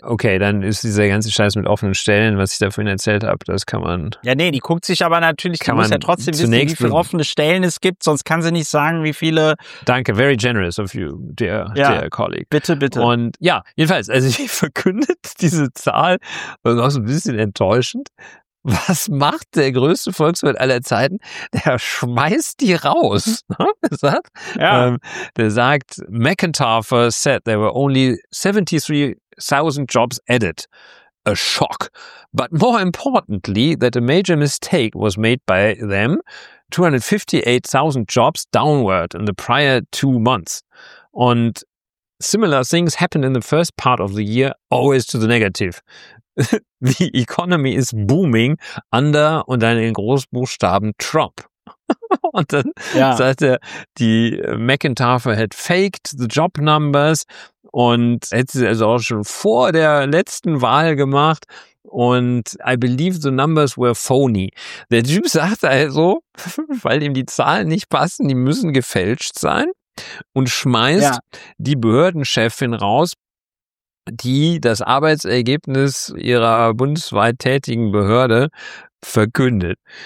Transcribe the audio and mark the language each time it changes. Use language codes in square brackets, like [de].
[de] Okay, dann ist dieser ganze Scheiß mit offenen Stellen, was ich da vorhin erzählt habe, das kann man... Ja, nee, die guckt sich aber natürlich, kann die man muss ja trotzdem wissen, wie viele offene Stellen es gibt, sonst kann sie nicht sagen, wie viele... Danke, [en] very generous of you, dear, [de] ja, [en] dear colleague. [de] Bitte, bitte. Und ja, jedenfalls, also sie verkündet diese Zahl, das ist auch so ein bisschen enttäuschend. Was macht der größte Volkswirt aller Zeiten? Der schmeißt die raus. Der sagt, [en] McIntyre said there were only 73,000 jobs added. A shock. But more importantly, that a major mistake was made by them. 258,000 jobs downward in the prior 2 months. And similar things happened in the first part of the year, always to the negative. The economy is booming under [de] und dann in Großbuchstaben Trump. Und dann ja. Sagt er, die McIntyre [en] had faked the job numbers [de] und hätte sie also auch schon vor der letzten Wahl gemacht. Und [en] I believe the numbers were phony. [de] Der Typ sagt also, weil ihm die Zahlen nicht passen, die müssen gefälscht sein und schmeißt die Behördenchefin raus, die das Arbeitsergebnis ihrer bundesweit tätigen Behörde verkündet.